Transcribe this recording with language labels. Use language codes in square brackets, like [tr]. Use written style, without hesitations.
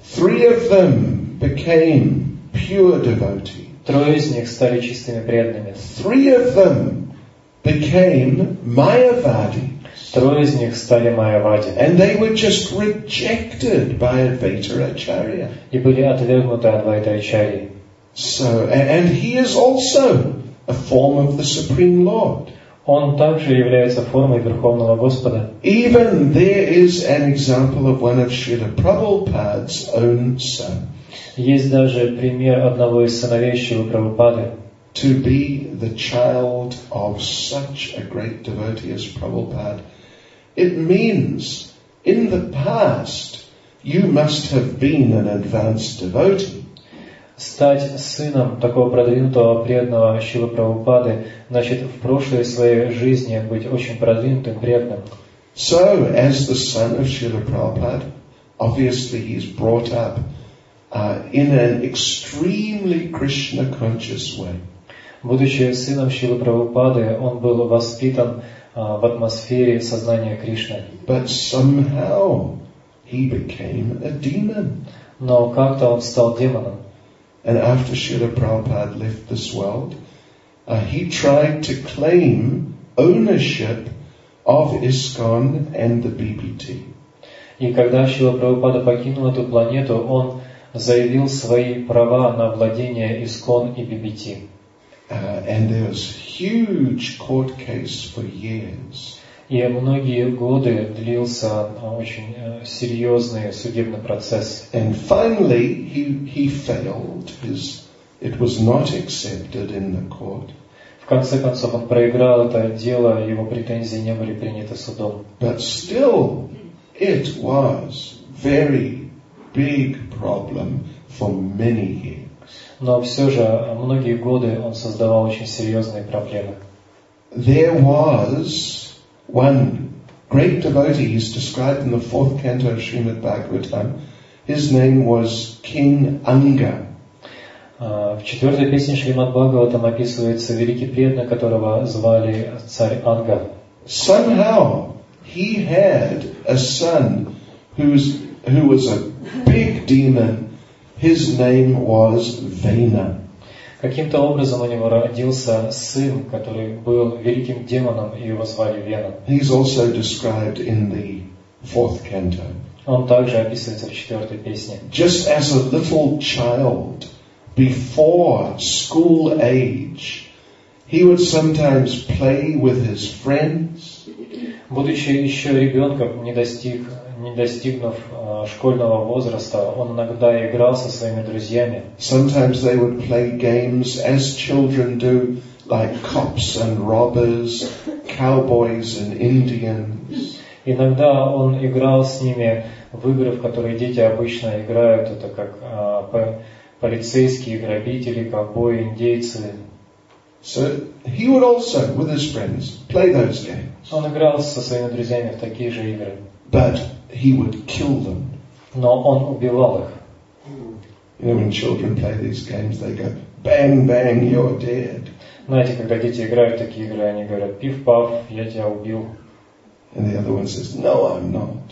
[en] Three of them became pure devotees. [ru] Трое из них стали чистыми преданными. [en] Three of them became Mayavadi. [ru] Трое из них стали Майявади. [en] And they were just rejected by Advaita Acharya. [ru] И были отвергнуты Адвайта Ачарьи. [en] So, and he is also a form of the Supreme Lord. [ru] Он также является формой Верховного Господа. [en] Even there is an example of one of Srila Prabhupada's own son. [ru] Есть даже пример одного из сыновей Шрилы Прабхупады. [en] To be the child of such a great devotee as Prabhupada, it means in the past you must have been an advanced devotee. [ru] Стать сыном такого продвинутого преданного Шрилы Прабхупады значит в прошлой своей жизни быть очень продвинутым преданным. [en] So, as the son of Srila Prabhupada, obviously he's brought up in an extremely Krishna conscious way. [ru] Будучи сыном Шрилы Прабхупады, он был воспитан в атмосфере сознания Кришны. [en] But somehow he became a demon. [ru] Но как-то он стал демоном. [en] And after Srila Prabhupada left this world, he tried to claim ownership of ISKCON and the BBT. [ru] И когда Шрила Прабхупада покинул эту планету, он заявил свои права на владение ISKCON и BBT. [en] And there was huge court case for years. [ru] И многие годы длился очень серьезный судебный процесс. [en] And finally he failed. It was not accepted in the court. [ru] В конце концов он проиграл это дело, его претензии не были приняты судом. [en] But still it was very big problem for many years. [ru] Но все же многие годы он создавал очень серьезные проблемы. [en] There was one great devotee, he's described in the fourth canto of Srimad Bhagavatam. His name was King Anga. [ru] В четвертой песне Шримад Бхагаватам описывается великий преданный, которого звали царь Анга. [en] Somehow he had a son who was a big demon. His name was Vena. [ru] Каким-то образом у него родился сын, который был великим демоном, и его звали Вена. [en] He's also described in the fourth canto. [ru] Он также описывается в четвертой песне. [en] Just as a little child, before school age, He would sometimes play with his friends. [ru] Будучи еще ребенком, не достигнув школьного возраста, он иногда играл со своими друзьями. [en] Sometimes they would play games as children do, like cops and robbers, cowboys and Indians. [ru] Иногда он играл с ними в игры, в которые дети обычно играют, это как полицейские, грабители, ковбои, индейцы. [en] So he would also, with his friends, play those games. [ru] Он играл со своими друзьями в такие же игры. [en] But he would kill them. [ru] Но он убивал их. [en] You know, when children play these games, they go, bang, bang, you're dead. [ru] Знаете, когда дети играют в такие игры, они говорят, пиф-паф, я тебя убил. [en] And the other one says, no, I'm not.